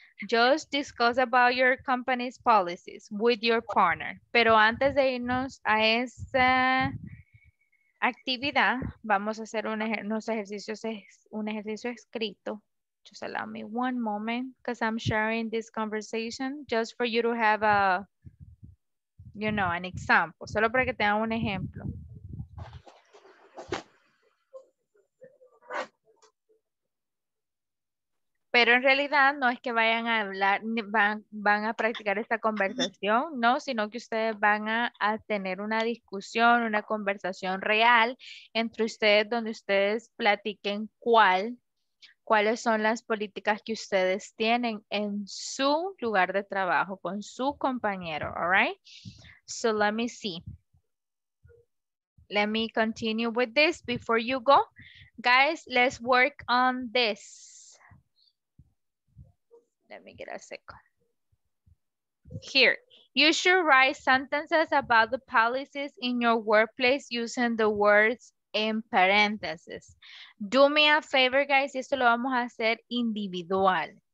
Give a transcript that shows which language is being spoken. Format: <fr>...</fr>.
<en>Just discuss about your company's policies with your partner.</en> <es>Pero antes de irnos a esa actividad, vamos a hacer un ejercicio escrito.</es> <en>Just allow me one moment because I'm sharing this conversation just for you to have an example.</en> <es>Solo para que tengan un ejemplo. Pero en realidad no es que vayan a hablar, van a practicar esta conversación, no, sino que ustedes van a tener una discusión, una conversación real entre ustedes donde ustedes platiquen cuáles son las políticas que ustedes tienen en su lugar de trabajo, con su compañero,</es> <en>all right? So let me see. Let me continue with this before you go. Guys, let's work on this. Let me get a second. Here, you should write sentences about the policies in your workplace using the words in parentheses. Do me a favor, guys,</en> <es>y esto lo vamos a hacer individual.</es>